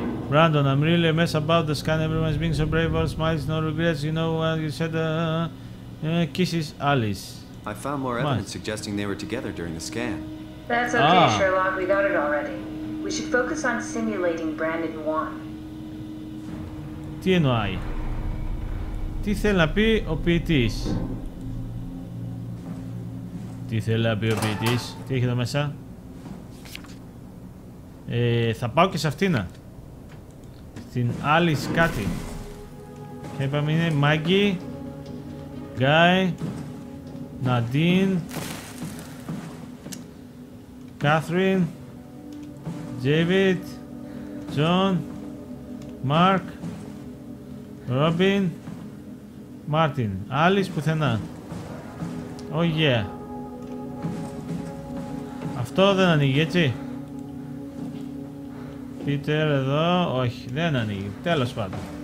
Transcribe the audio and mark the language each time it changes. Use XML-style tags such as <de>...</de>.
<en>Brandon, I'm really messed about the scan. Everyone's being so brave. All smiles, no regrets. You know what you said. Kisses, Alice. I found more evidence suggesting they were together during the scan. That's okay, Sherlock. We got it already. We should focus on simulating Brandon Wan.</en> <el>Τι εννοεί? Τι θέλει να πει ο ποιητής? Τι θέλει να πει ο ποιητής? Τι έχει εδώ μέσα? Θα πάω και σε αυτήν. στην Alice κάτι. Και είπαμε είναι Maggie, Guy, Nadine, Catherine, David, John, Mark, Robin, Martin.</el> <en>Alice</en> <el>πουθενά.</el> <en>Oh yeah.</en> <el>Αυτό δεν ανοίγει, έτσι. Peter εδώ, όχι, δεν ανοίγει, τέλος πάντων.</el>